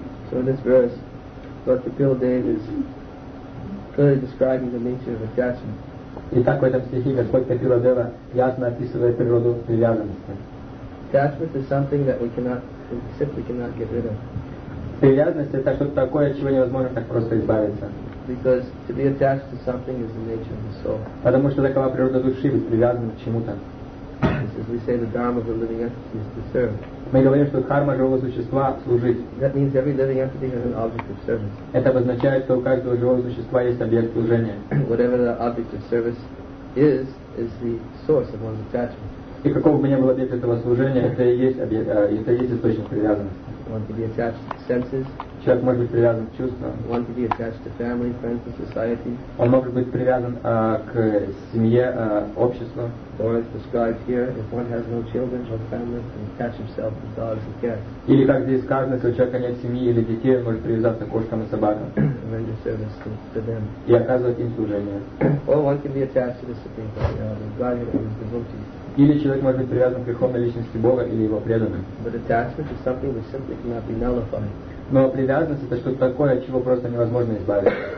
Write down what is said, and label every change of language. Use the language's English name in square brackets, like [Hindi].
[English] So this verse, what the Pil did is clearly describing the nature of attachment. [Russian] Итак, в этом стихе Господь Капила Дева ясно описывает природу привязанности. [English] Attachment is something that we simply cannot get rid of. [Russian] Привязанность — это что-то такое, от чего невозможно так просто избавиться. [English] Because to be attached to something is the nature of the soul. [Russian] Потому что такова природа души — быть привязанным к чему-то. [English] As we say, the dharma of the living entity is to serve. [Russian] Мы говорим, что карма живого существа — служить. [English] That means every living entity has an object of service. [Russian] Это обозначает, что у каждого живого существа есть объект служения. [English] Whatever the object of service is the source of one's attachment. [Russian] И какого бы ни был объект этого служения, это и есть объект, это и есть источник привязанности. [English] One can be attached to senses. [Russian] Человек может быть привязан к чувствам. [English] One can be attached to family, friends, and society. [Russian] Он может быть привязан к семье, обществу. [English] Or as described here, if one has no children or family, can attach himself to dogs and cats. [Russian] Или как здесь сказано, если у человека нет семьи или детей, он может привязаться к кошкам и собакам. [English] And render service to them. [Russian] И оказывать им служение. [English] Or one can be attached to the Supreme Body, the Godhead, or the devotees. [Russian] Или человек может быть привязан к верховной личности Бога или его преданным. [English] But attachment is something that simply cannot be nullified. [Russian] Но привязанность — это что-то такое, от чего просто невозможно избавиться.